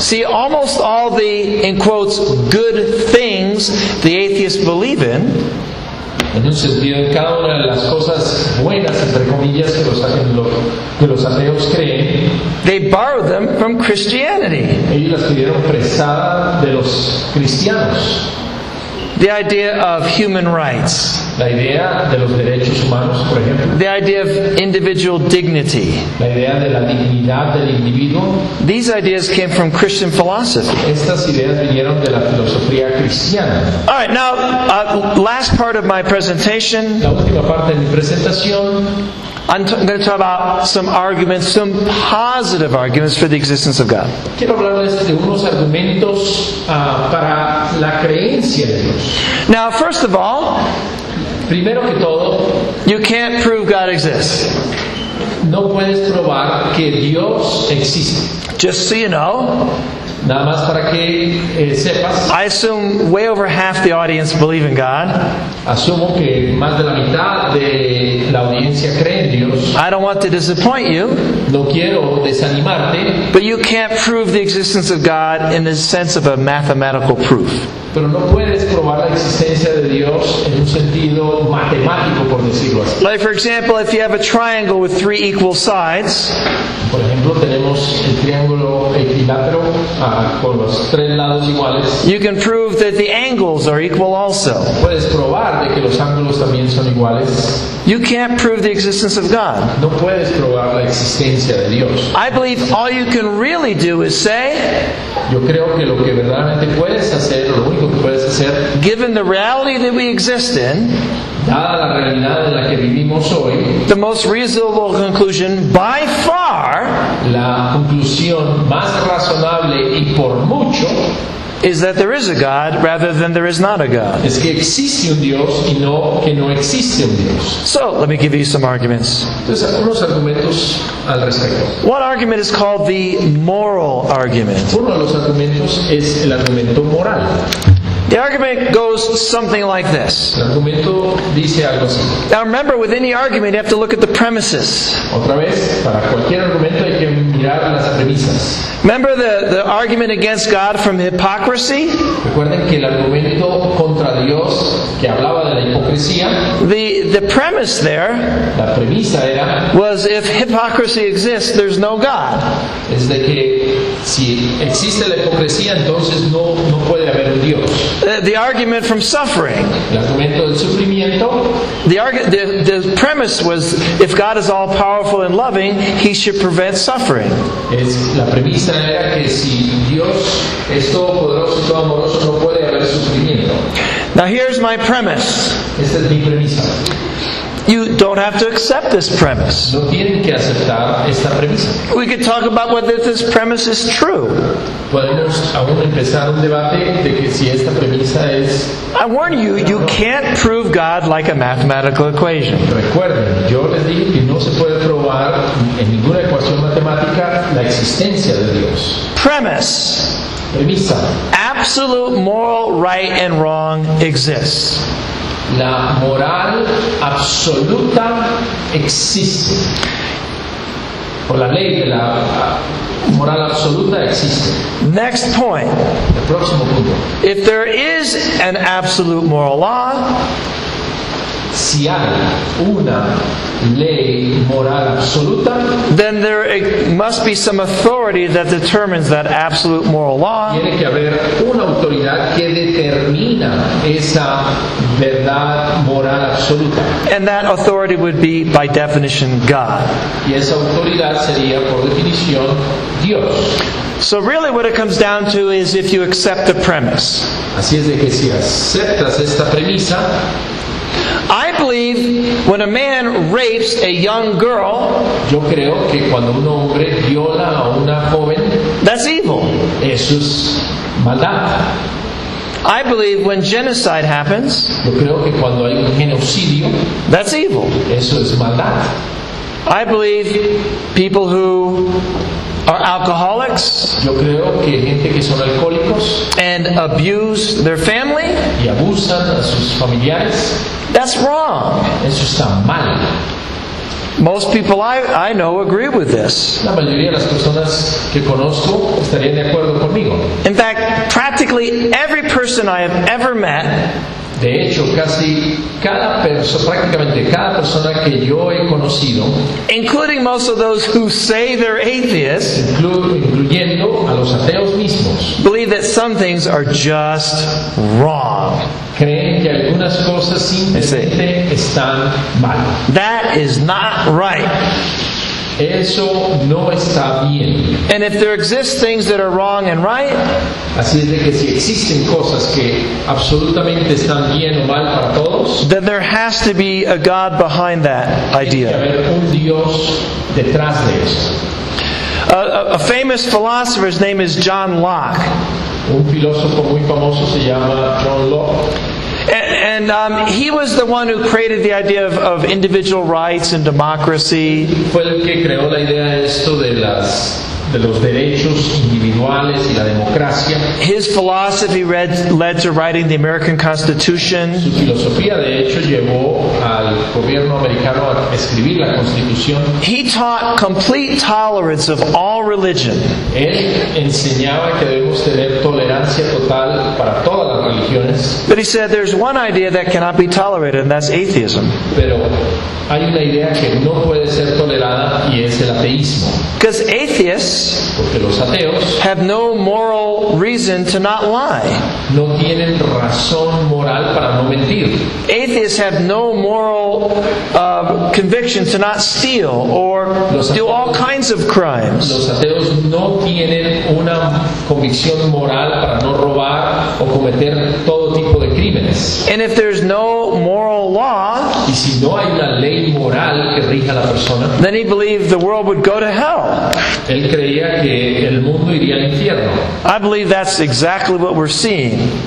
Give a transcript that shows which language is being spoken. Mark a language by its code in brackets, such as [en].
[en] See, almost all the, in quotes, good things the atheists believe in. [es] En un sentido, en cada una de las cosas buenas, entre comillas, que los ateos creen, [en] they borrowed them from Christianity. [es] Ellos las pidieron prestadas de los cristianos. [en] The idea of human rights. [es] La idea de los derechos humanos, por ejemplo. [en] The idea of individual dignity. [es] La idea de la dignidad del individuo. [en] These ideas came from Christian philosophy. [es] Estas ideas vinieron de la filosofía cristiana. [en] All right, now, last part of my presentation. [es] La última parte de mi presentación. [en] I'm going to talk about some arguments, some positive arguments for the existence of God. [es] Quiero hablarles de unos argumentos para la creencia de Dios. [en] Now, first of all, [es] primero que todo, [en] you can't prove God exists. [es] No puedes probar que Dios existe. [en] Just so you know, [es] nada más para que sepas, [en] I assume way over half the audience believe in God. [es] Asumo que más de la mitad de la audiencia cree en Dios. [en] I don't want to disappoint you. [es] No quiero desanimarte. [en] But you can't prove the existence of God in the sense of a mathematical proof. [es] Pero no puedes probar la existencia de Dios en un sentido matemático, por decirlo así. [en] Like, for example, if you have a triangle with three equal sides. [es] Por ejemplo, tenemos el triángulo equilátero con los tres lados iguales. [en] You can prove that the angles are equal also. [es] Puedes probar de que los ángulos también son iguales. [en] You can't prove the existence of God. [es] No puedes probar la existencia de Dios. [en] I believe all you can really do is say. [es] Yo creo que lo que verdaderamente puedes hacer, lo único que puedes hacer. [en] Given the reality that we exist in. [es] Dada la realidad en la que vivimos hoy. [en] The most reasonable conclusion by far. [es] La conclusión más razonable y por mucho. [en] Is that there is a God rather than there is not a God. [es] Es que existe un Dios y no que no existe un Dios. [en] So, let me give you some arguments. [es] Entonces, algunos argumentos al respecto. [en] One argument is called the moral argument. [es] Uno de los argumentos es el argumento moral. [en] The argument goes something like this. [es] El argumento dice algo así. [en] Now remember, with any argument, you have to look at the premises. [es] Otra vez, para cualquier argumento hay que mirar las premisas. [en] Remember the argument against God from hypocrisy? [es] Recuerden que el argumento contra Dios que hablaba de la hipocresía. [en] The premise there. [es] La premisa era. [en] Was if hypocrisy exists, there's no God. [es] Es de que si existe la hipocresía, entonces no puede haber un Dios. [en] The argument from suffering. [es] El argumento del sufrimiento. [en] The premise was if God is all powerful and loving, he should prevent suffering. [es] Es la premisa era que si Dios es todopoderoso y todo amoroso, no puede haber sufrimiento. [en] Now here's my premise. [es] Esta es mi premisa. [en] You don't have to accept this premise. [es] No tienen que aceptar esta premisa. [en] We could talk about whether this premise is true. [es] Podemos aún empezar un debate de que si esta premisa es. [en] I warn you, you can't prove God like a mathematical equation. [es] Recuerden, yo les digo que no se puede probar en ninguna ecuación matemática la existencia de Dios. [en] Premise. [es] Premisa. [en] Absolute moral right and wrong exists. [es] La moral absoluta existe. O la ley de la moral absoluta existe. [en] Next point. [es] El próximo punto. [en] If there is an absolute moral law, [es] si hay una ley moral absoluta, [en] then there must be some authority that determines that absolute moral law. [es] Tiene que haber una autoridad que determina esa verdad moral absoluta. [en] And that authority would be, by definition, God. [es] Y esa autoridad sería, por definición, Dios. [en] So really what it comes down to is if you accept the premise. [es] Así es de que si aceptas esta premisa. [en] I believe when a man rapes a young girl, [es] yo creo que cuando un hombre viola a una joven, [en] that's evil. [es] Eso es maldad. [en] I believe when genocide happens, [es] yo creo que cuando hay un genocidio, [en] that's evil. [es] Eso es maldad. [en] I believe people who are alcoholics, [es] yo creo que gente que son alcohólicos, [en] and abuse their family, [es] y abusan a sus familiares, [en] that's wrong. [es] Eso está mal. [en] Most people I know agree with this. [es] La mayoría de las personas que conozco estarían de acuerdo conmigo. [en] In fact, practically every person I have ever met, [es] de hecho, casi cada persona, prácticamente cada persona que yo he conocido, [en] including most of those who say they're atheists, [es] incluyendo a los ateos mismos, [en] believe that some things are just wrong. [es] Creen que algunas cosas simplemente están mal. [en] That is not right. [es] Eso no está bien. [en] And if there exist things that are wrong and right, [es] así es de que si existen cosas que absolutamente están bien o mal para todos, [en] then there has to be a God behind that idea. [es] Tiene que haber un Dios detrás de eso. [en] A famous philosopher's name is John Locke. [es] Un filósofo muy famoso se llama John Locke. [en] And he was the one who created the idea of individual rights and democracy. [es] Fue el que creó la idea esto de las de los derechos individuales y la democracia. [en] His philosophy led to writing the American Constitution. [es] Su filosofía de hecho llevó al gobierno americano a escribir la Constitución. [en] He taught complete tolerance of all religion. [es] Él enseñaba que debemos tener tolerancia total para todas las religiones. [en] But he said there's one idea that cannot be tolerated, and that's atheism. [es] Pero hay una idea que no puede ser tolerada y es el ateísmo. [en] Because atheists, [es] porque los ateos, [en] have no moral reason to not lie. [es] No tienen razón moral para no mentir. [en] Atheists have no moral conviction to not steal or do all kinds of crimes. [es] Los ateos no tienen una convicción moral para no robar o cometer todo tipo de crímenes. [en] And if there's no moral law, [es] y si no hay una ley moral que rija a la persona, [en] then he believed the world would go to hell. [es] Él creía que el mundo iría al infierno. [en] I believe that's exactly what we're seeing.